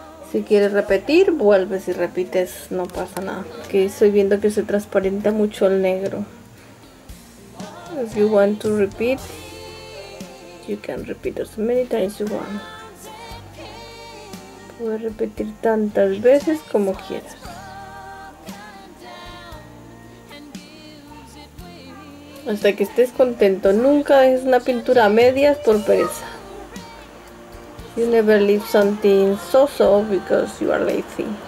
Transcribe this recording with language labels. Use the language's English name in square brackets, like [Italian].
[Spanish] Si quieres repetir, vuelves y repites, no pasa nada. Que estoy viendo que se transparenta mucho el negro. [English] If you want to repeat, you can repeat as many times you want. [Spanish] Puedes repetir tantas veces como quieras. Hasta que estés contento. Nunca dejes una pintura a medias por pereza. [English] You never leave something so-so because you are lazy.